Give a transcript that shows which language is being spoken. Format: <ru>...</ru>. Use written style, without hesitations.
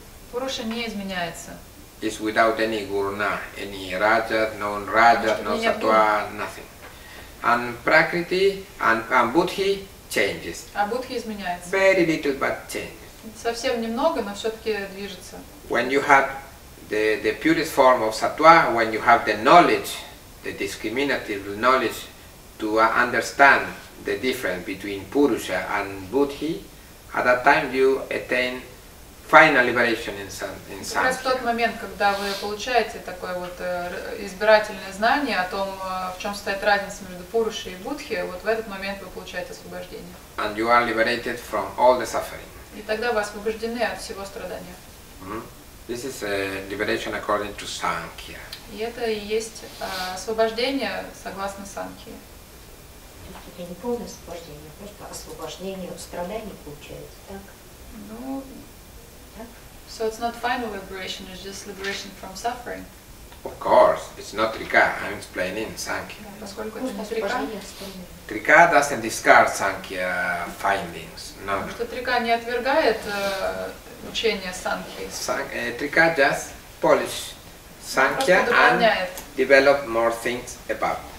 <ru>Пуруша не изменяется.</ru> <en>It's without any guruna, any raja, no raja, no sattva, nothing. And Prakriti and Buddhi changes.</en> <ru>А Будхи изменяется.</ru> <en>Very little, but changes.</en> <ru>Совсем немного, но все-таки движется.</ru> <en>When you have the purest form of sattva, when you have the knowledge, the discriminative knowledge, to understand the difference between Purusha and Buddhi, at that time you attain final liberation in sankhya.</en> <ru>Как раз в тот момент, когда вы получаете такое вот избирательное знание о том, в чем стоит разница между Пурушей и Буддхи, вот в этот момент вы получаете освобождение.</ru> <en>And you are liberated from all the suffering.</en> <ru>И тогда вы освобождены от всего страдания.</ru> <en>This is liberation according to sankhya.</en> <ru>И это и есть освобождение согласно санкхье. Это не полное освобождение, а просто освобождение от страданий получается, так? Ну, так.</ru> <en>So it's not final liberation, it's just liberation from suffering. Of course, it's not trika. I'm explaining sankhya.</en> <ru>Поскольку это трика.</ru> <en>Трика doesn't discard sankhya findings. No.</en> <ru>Что трика не отвергает учение санкхи.</ru> <en>Трика just polish sankhya and develop more things about.</en>